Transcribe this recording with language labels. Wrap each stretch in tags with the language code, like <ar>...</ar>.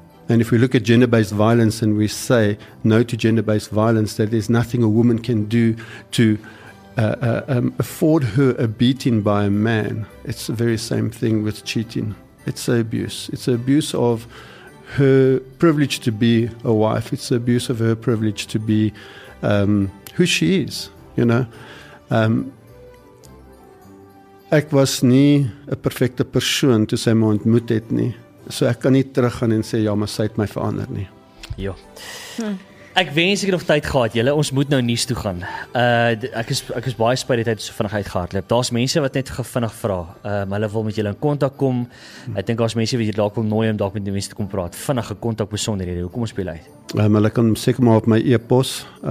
<en>And if we look at gender-based violence and we say no to gender-based violence, that there's nothing a woman can do to afford her a beating by a man, it's the very same thing with cheating. It's an abuse. It's an abuse of her privilege to be a wife. It's an abuse of her privilege to be who she is, you know.</en> <af>Ek was nie 'n perfekte persoon toe sy my ontmoet het nie. So ek kan nie terug gaan en sê, ja, maar sy het my verander nie. Ja. Ek wens ek het nog tyd gehad, julle. Ons moet nou nuus toe gaan. Ek is baie spyt die tyd so vinnig uitgehardloop. Daar's mense wat net vinnig vra. Hulle wil met julle in kontak kom. Ek dink daar's mense wat jy dalk wil nooi om dalk met die mense te kom praat. Vinnige kontak besonderhede. Hoe kom ons by julle uit? Hulle kan seker maar op my e-pos.</af>